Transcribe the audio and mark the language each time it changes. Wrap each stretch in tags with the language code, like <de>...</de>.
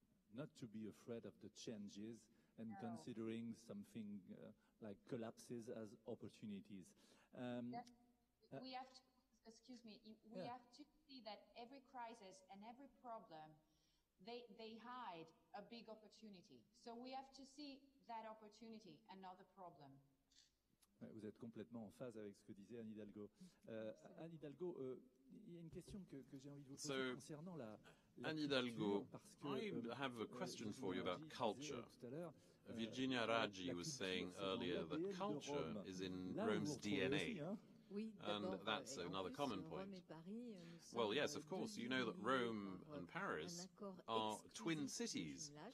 <en>Not to be afraid of the changes and considering something like collapses as opportunities. We have to see that every crisis and every problem, they hide a big opportunity. So we have to see that opportunity and not the problem.</en> <fr>Vous êtes complètement en phase avec ce que disait Anne Hidalgo. Anne Hidalgo, il y a une question que j'ai envie de vous poser concernant la culture.</fr> <en>Anne Hidalgo, I have a question for you about culture. Virginia Raggi was saying earlier that culture is in Rome's DNA. And that's another common point. Well, yes, of course, you know that Rome and Paris are twin cities.</en>